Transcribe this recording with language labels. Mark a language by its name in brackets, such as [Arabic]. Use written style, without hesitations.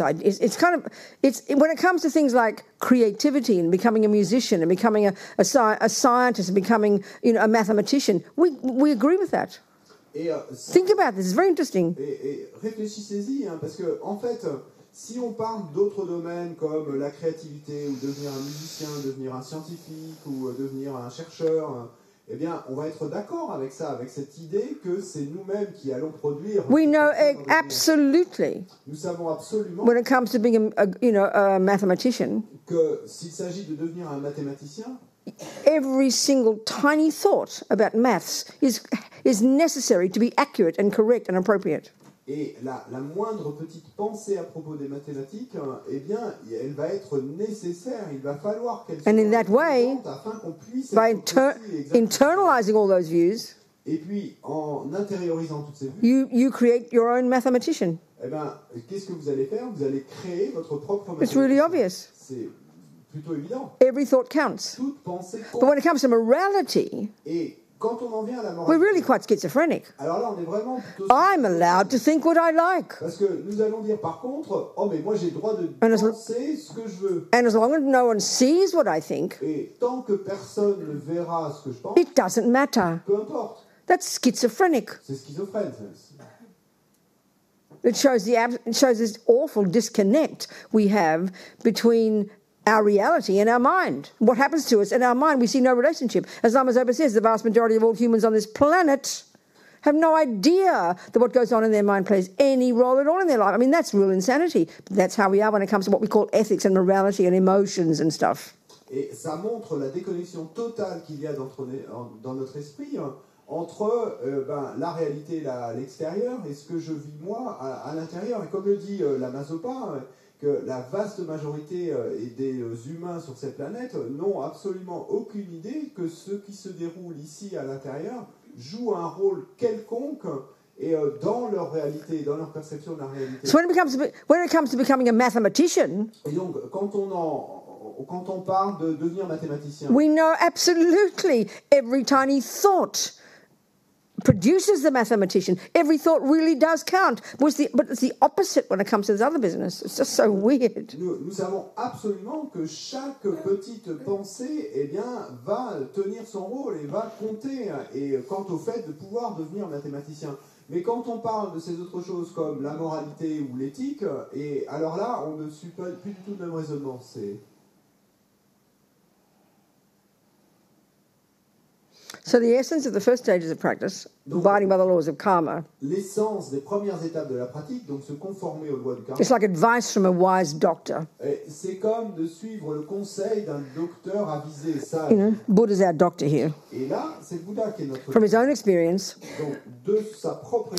[English] It's when it comes to things like creativity and becoming a musician and becoming a scientist and becoming, you know, a mathematician. We agree with that. [French] Et, [English] think about this. It's very interesting. [French] Et réfléchissez-y, hein, parce que en fait, si on parle d'autres domaines comme la créativité ou devenir un musicien, devenir un scientifique ou devenir un chercheur. Eh bien, on va être d'accord avec ça, avec cette idée que c'est nous-mêmes qui allons produire. [English] We know absolutely. [French] Nous savons absolument. [English] When it comes to being a mathematician. [French] Que s'il s'agit de devenir un mathématicien. [English] Every single tiny thought about maths is necessary to be accurate and correct and appropriate. [French] Et la moindre petite pensée à propos des mathématiques, eh bien, elle va être nécessaire. Il va falloir qu'elle [English] And [French] soit [English] in that way, [French] afin qu'on puisse [English] by internalizing all those views, [French] et puis en intériorisant toutes ces vues, [English] you create your own mathematician. [French] Eh bien, qu'est-ce que vous allez faire? Vous allez créer votre propre mathématicien. [English] It's really obvious. [French] C'est plutôt évident. [English] Every thought counts. [French] Toute pensée compte. [English] But when it comes to morality, [French] quand on en vient à la morale, [English] we're really quite schizophrenic. [French] Alors là, on est vraiment plutôt [English] schizophrenic. I'm allowed to think what I like. [French] Parce que nous allons dire par contre, oh mais moi j'ai le droit de penser ce que je veux. [English] And as long as no one sees what I think, [French] et tant que personne ne verra ce que je pense, [English] it doesn't matter. [French] Peu importe. [English] That's schizophrenic. [French] C'est schizophrène. [English] It shows this awful disconnect we have between our reality and our mind. What happens to us in our mind, we see no relationship. As Lama Zopa says, the vast majority of all humans on this planet have no idea that what goes on in their mind plays any role at all in their life. I mean, that's real insanity. But that's how we are when it comes to what we call ethics and morality and emotions and stuff. [French] Et ça montre la déconnexion totale qu'il y a dans notre esprit, hein. Entre la réalité à l'extérieur et ce que je vis moi à l'intérieur. Et comme le dit Lama Zopa, que la vaste majorité des humains sur cette planète n'ont absolument aucune idée que ce qui se déroule ici à l'intérieur joue un rôle quelconque et dans leur réalité, dans leur perception de la réalité. [English] So when it comes to becoming a mathematician, [French] et donc quand on parle de devenir mathématicien, [English] we know absolutely every tiny thought produces the mathematician. Every thought really does count. But it's the opposite when it comes to this other business. It's just so weird. [French] Nous savons absolument que chaque petite pensée, eh bien, va tenir son rôle et va compter. Et quant au fait de pouvoir devenir mathématicien. Mais quand on parle de ces autres choses comme la moralité ou l'éthique, et alors là, on ne suit pas plus du tout le même raisonnement. C'est... [English] So the essence of the first stages of practice, [French] donc, [English] abiding by the laws of karma, [French] l'essence des premières étapes de la pratique, donc se conformer aux lois du karma, [English] it's like advice from a wise doctor. [French] C'est comme de suivre le conseil d'un docteur avisé, sage. [English] You know, Buddha's our doctor here. [French] Et là, c'est Bouddha qui est notre [English] from his own experience, [French] donc, de sa propre